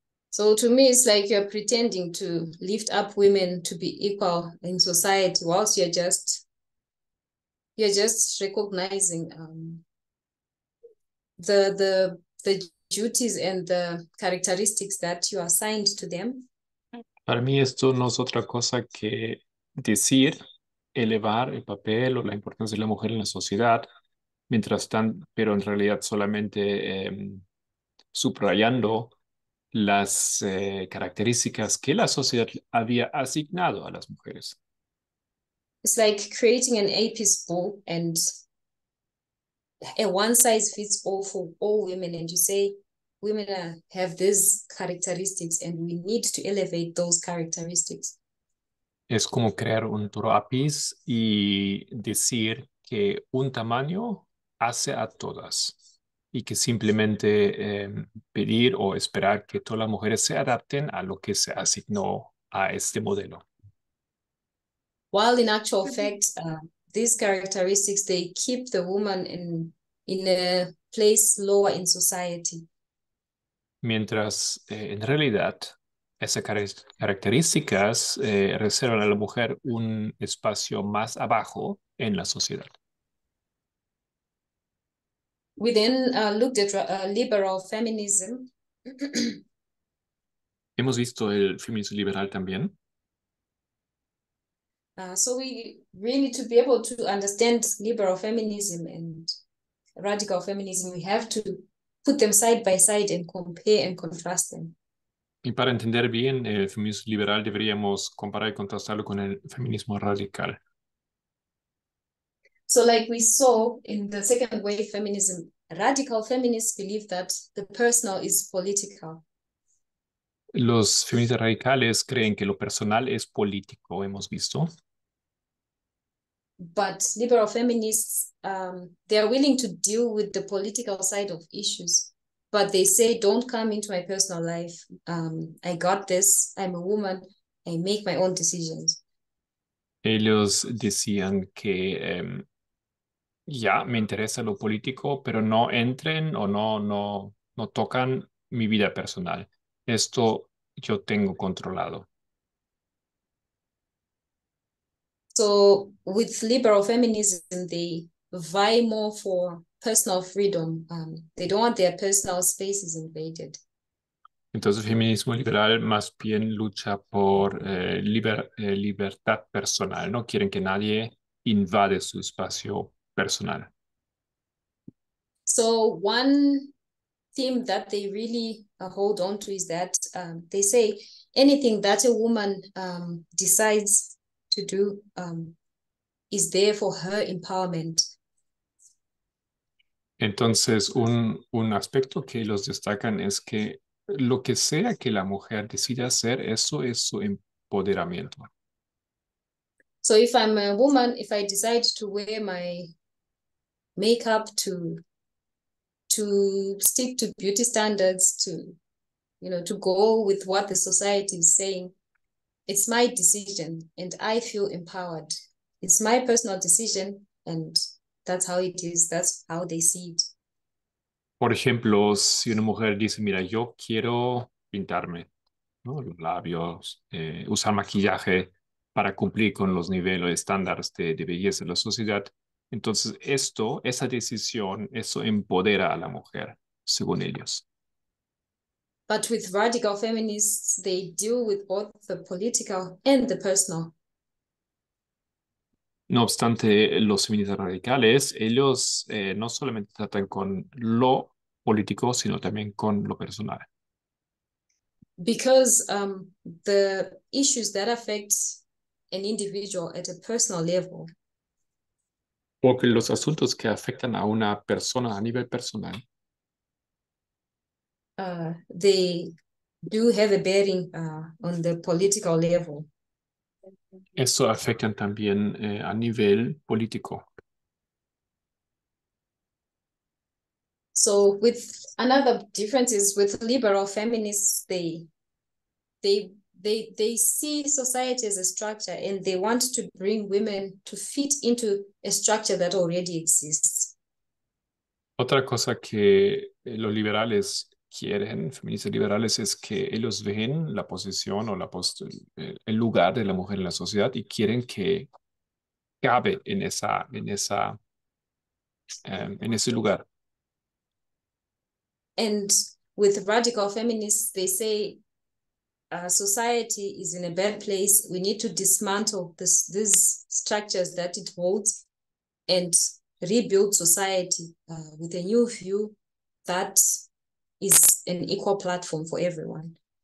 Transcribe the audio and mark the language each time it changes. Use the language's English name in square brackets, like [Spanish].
[English] So to me, it's like you're pretending to lift up women to be equal in society, whilst you're just recognizing the duties and the characteristics that you assigned to them. [Spanish] Para mí esto no es otra cosa que decir, elevar el papel o la importancia de la mujer en la sociedad, mientras están, pero en realidad solamente subrayando las características que la sociedad había asignado a las mujeres. [English] It's like creating an apis ball and a one size fits all for all women, and you say women have these characteristics and we need to elevate those characteristics. [Spanish] Es como crear un turapis y decir que un tamaño hace a todas. Y que simplemente pedir o esperar que todas las mujeres se adapten a lo que se asignó a este modelo. [English] While in actual fact, these characteristics, they keep the woman in a place lower in society. [Spanish] Mientras en realidad esas características reservan a la mujer un espacio más abajo en la sociedad. [English] We then looked at liberal feminism. [Spanish] Hemos visto el feminismo liberal también. [English] So we really, to be able to understand liberal feminism and radical feminism, we have to put them side by side and compare and contrast them. [Spanish] Y para entender bien el feminismo liberal, deberíamos comparar y contrastarlo con el feminismo radical. [English] So like we saw in the second wave feminism, radical feminists believe that the personal is political. [Spanish] Los feministas radicales creen que lo personal es político, hemos visto. [English] But liberal feminists, they are willing to deal with the political side of issues. But they say, don't come into my personal life. I got this. I'm a woman. I make my own decisions. [Spanish] Ellos decían que me interesa lo político, pero no entren o no tocan mi vida personal. Esto yo tengo controlado. [English] So with liberal feminism, they vie more for personal freedom. They don't want their personal spaces invaded. [Spanish] Entonces, el feminismo liberal más bien lucha por libertad personal. No quieren que nadie invade su espacio personal. [English] So one theme that they really hold on to is that they say anything that a woman decides to do is there for her empowerment. [Spanish] Entonces, un aspecto que los destacan es que lo que sea que la mujer decida hacer, eso es su empoderamiento. [English] So if I'm a woman, if I decide to wear my makeup, to stick to beauty standards, to go with what the society is saying, it's my decision and I feel empowered. It's my personal decision and that's how it is. That's how they see it. [Spanish] Por ejemplo, si una mujer dice, mira, yo quiero pintarme, ¿no?, los labios, usar maquillaje para cumplir con los niveles estándares de belleza en la sociedad, entonces esto, esa decisión, eso empodera a la mujer, según ellos. [English] But with radical feminists, they deal with both the political and the personal. [Spanish] No obstante, los feministas radicales, ellos no solamente tratan con lo político, sino también con lo personal. [English] Because the issues that affect an individual at a personal level. [Spanish] Porque los asuntos que afectan a una persona a nivel personal. [English] They do have a bearing on the political level. [Spanish] Eso afecta también a nivel político. [English] So with another difference is with liberal feminists, they see society as a structure and they want to bring women to fit into a structure that already exists. [Spanish] Otra cosa que los liberales quieren, feministas liberales, es que ellos ven la posición o la el lugar de la mujer en la sociedad y quieren que cabe en ese lugar. [English] And with radical feminists, they say society is in a bad place. We need to dismantle these structures that it holds and rebuild society with a new view that is an equal platform for everyone.